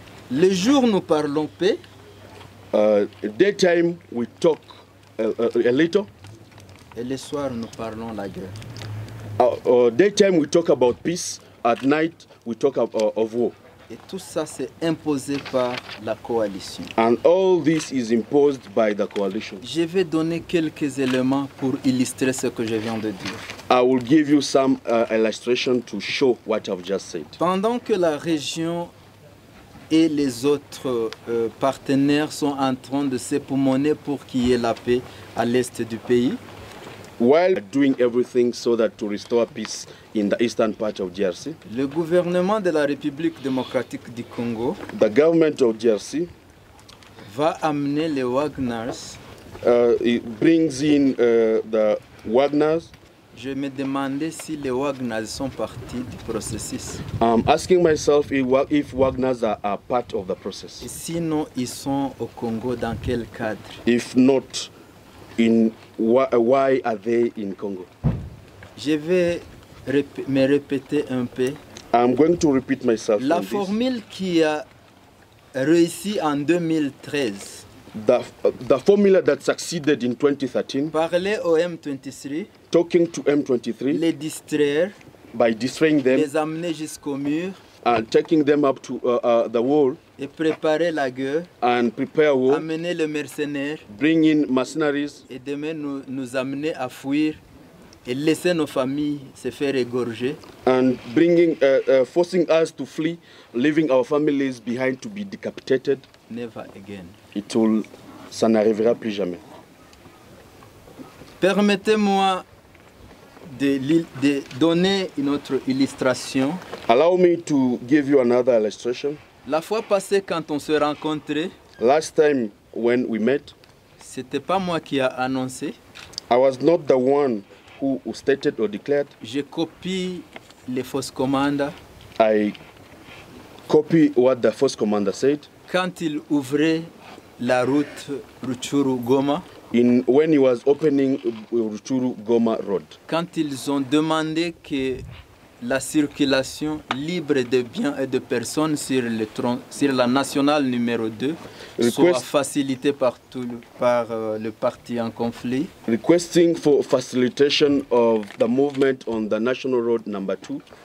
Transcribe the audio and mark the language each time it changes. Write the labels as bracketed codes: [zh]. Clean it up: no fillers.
[fr] Le jour nous parlons paix. [en] Daytime we talk a little. [fr] Et le soir nous parlons la guerre. [en] Daytime we talk about peace. At night we talk of war. [fr] Et tout ça c'est imposé par la coalition. [en] And all this is imposed by the coalition. [fr] Je vais donner quelques éléments pour illustrer ce que je viens de dire. [en] I will give you some illustration to show what I've just said. [fr] Pendant que la région et les autres partenaires sont en train de s'époumoner pour qu'il y ait la paix à l'est du pays. [en] While doing everything so that to restore peace in the eastern part of DRC. [fr] Le gouvernement de la République démocratique du Congo. [en] The government of DRC. [fr] Va amener les Wagners. [en] It brings in the Wagners. [fr] Je me demandais si les Wagners sont partis du processus. [en] I'm asking myself if Wagners are part of the process. [fr] Et sinon, ils sont au Congo dans quel cadre? [en] If not, why are they in Congo? [fr] Je vais me répéter un peu. [en] I'm going to repeat myself. [fr] La formule [en] this. [fr] Qui a réussi en 2013. [en] The formula that succeeded in 2013. [fr] Parler au M23. [en] Talking to M23. [fr] Les distraire. [en] By distraying them. [fr] Les amener jusqu'au mur. [en] And taking them up to the wall. [fr] Et préparer la guerre. [en] And prepare war. [fr] Amener les mercenaires. [en] Bring in mercenaries. [fr] Et demain nous amener à fuir et laisser nos familles se faire égorger. [en] And bringing forcing us to flee, leaving our families behind to be decapitated. Never again. [fr] Ça n'arrivera plus jamais. Permettez-moi de donner une autre illustration. [en] Allow me to give you another illustration. [fr] La fois passée quand on s'est rencontré, [en] last time when we met, [fr] c'était pas moi qui a annoncé. [en] I was not the one who stated or declared. [fr] J'ai copié les fausses commandes. [en] I copy what the first commander said. [fr] Quand il ouvrait la route Rutshuru-Goma, [en] when he was opening Rutshuru-Goma road, [fr] quand ils ont demandé que la circulation libre de biens et de personnes sur le sur la nationale numéro 2 soit facilitée par le parti en conflit. [en] Requesting for facilitation of the movement on the national road number 2.